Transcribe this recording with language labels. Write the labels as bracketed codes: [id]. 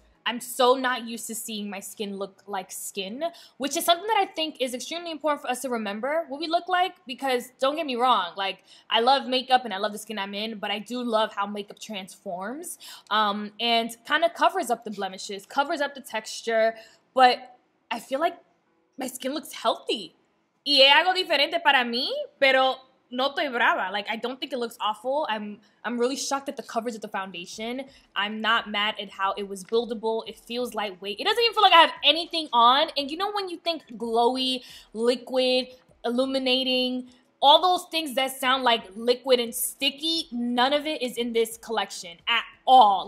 [en] I'm so not used to seeing my skin look like skin, which is something that I think is extremely important for us to remember what we look like, because don't get me wrong, like I love makeup and I love the skin I'm in, but I do love how makeup transforms and kind of covers up the blemishes, covers up the texture, but I feel like my skin looks healthy. [es] Y es algo diferente para mí, pero no estoy brava. [en] Like, I don't think it looks awful. I'm really shocked at the coverage of the foundation. I'm not mad at how it was buildable. It feels lightweight. It doesn't even feel like I have anything on. And you know when you think glowy, liquid, illuminating, all those things that sound like liquid and sticky, none of it is in this collection at all.